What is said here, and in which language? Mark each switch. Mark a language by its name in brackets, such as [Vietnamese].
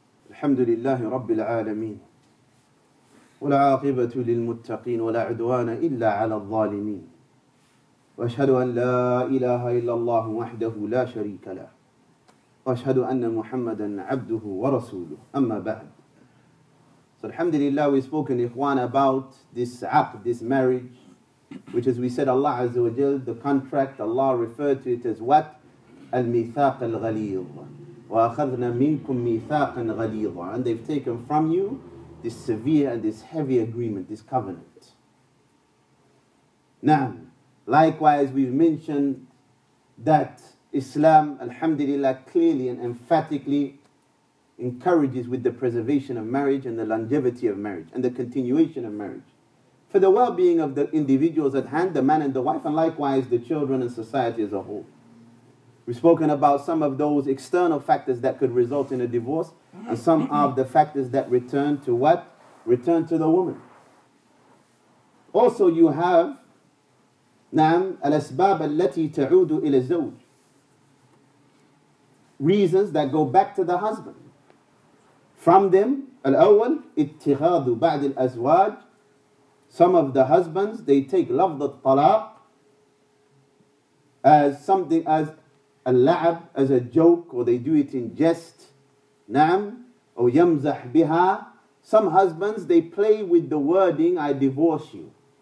[Arabic] الحمد لله رب العالمين والعاقبة للمتقين ولا عدوان إلا على الظالمين وأشهد أن لا إله إلا الله وحده لا شريك له وأشهد أن محمدا عبده ورسوله أما بعد. [English] So alhamdulillah, we spoken, ikhwan, about this aqd, this marriage, which, as we said, Allah Azza wa Jal, the contract, Allah referred to it as what? [Arabic] Al-mithaq al-ghaleedh. وَأَخَذْنَا مِنْكُمْ مِيثَاقًا غَلِيظًا. [English] And they've taken from you this severe and this heavy agreement, this covenant. Na'am. Likewise, we've mentioned that Islam, alhamdulillah, clearly and emphatically encourages with the preservation of marriage and the longevity of marriage and the continuation of marriage for the well-being of the individuals at hand, the man and the wife, and likewise the children and society as a whole. We've spoken about some of those external factors that could result in a divorce and some of the factors that return to what? Return to the woman. Also, you have [Arabic] نعم الأسباب التي تعود إلى الزوج. [English] Reasons that go back to the husband. From them, [Arabic] الأول اتخاذ بعد الأزواج. [English] Some of the husbands, they take [Arabic] لفظ الطلاق [English] as something as a la'ab, as a joke, or they do it in jest. Na'am, or [Arabic] yamzah biha. [English] Some husbands, they play with the wording, I divorce you.